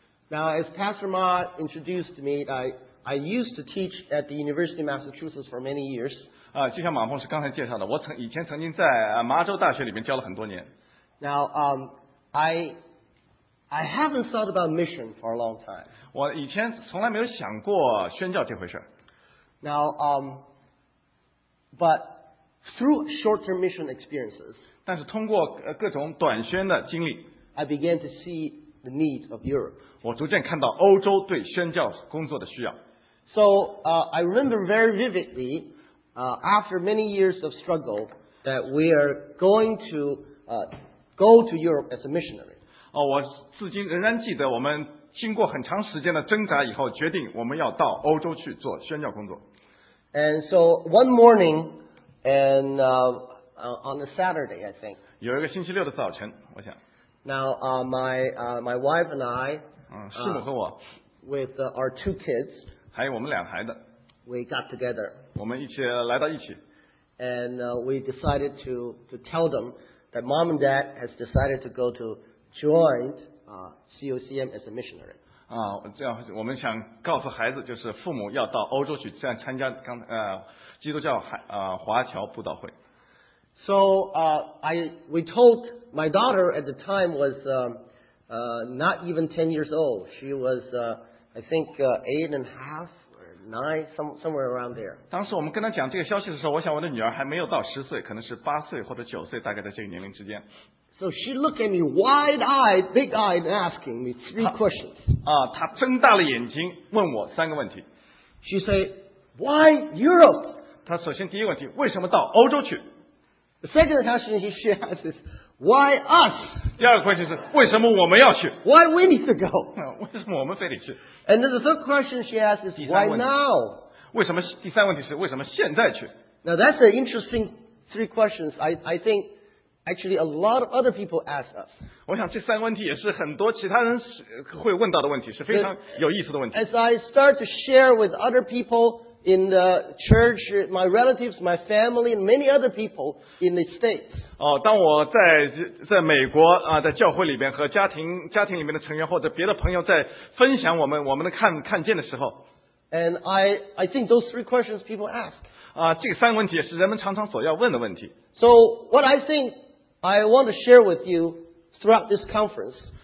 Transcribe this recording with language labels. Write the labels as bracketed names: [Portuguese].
[English] Now, as Pastor Ma introduced me, I used to teach at the University of Massachusetts for many years. [Chinese] 就像马牧师刚才介绍的，我以前曾经在麻州大学里面教了很多年。 [English] Now, I haven't thought about mission for a long time. [Chinese] 我以前从来没有想过宣教这回事。 [English] Now, but through short-term mission experiences, [Chinese] 但是通过各种短宣的经历。 [English] I began to see the need of Europe. [Chinese] 我逐渐看到欧洲对宣教工作的需要。 [English] So, I remember very vividly, after many years of struggle, that we are going to, go to Europe as a missionary. [Chinese] 我至今仍然记得我们经过很长时间的挣扎以后决定我们要到欧洲去做宣教工作。 [English] And so, one morning, on a Saturday, I think. [Chinese] 有一个星期六的早晨，我想。 [English] Now, my wife and I, [Chinese] 师母和我 [English] with our two kids, [Chinese] 还有我们两孩子 [English] we got together, [Chinese] 我们一起来到一起 [English] and we decided to tell them that mom and dad has decided to go to join COCM as a missionary. [Chinese] 这样我们想告诉孩子就是父母要到欧洲去这样参加基督教华侨布道会。 [English] So, we told my daughter at the time was not even 10 years old. She was, I think, 8 and a half or 9, somewhere around there. [Chinese] 当时我们跟她讲这个消息的时候，我想我的女儿还没有到10岁，可能是8岁或者9岁，大概在这个年龄之间。 [English] So she looked at me wide-eyed, big-eyed, asking me three questions. [Chinese] 她睁大了眼睛问我三个问题。 [English] She said, why Europe? [Chinese] 她首先第一个问题，为什么到欧洲去？ [English] The second question she has is, why us? [Chinese] 第二个问题是为什么我们要去？ [English] Why we need to go? [Chinese] 为什么我们非得去？ [English] And then the third question she has is, why now? [Chinese] 为什么第三问题是为什么现在去？ [English] Now that's an interesting three questions. I think actually a lot of other people ask us. [Chinese] 我想这三个问题也是很多其他人会问到的问题，是非常有意思的问题。 [English] As I start to share with other people,in the church, my relatives, my family, and many other people in the States. [Chinese] 当我在美国在教会里边和家庭里面的成员或者别的朋友在分享我们的看见的时候。 [English] And I think those three questions people ask. [Chinese] 这三个问题也是人们常常所要问的问题。 [English] So what I think I want to share with you throughout this conference.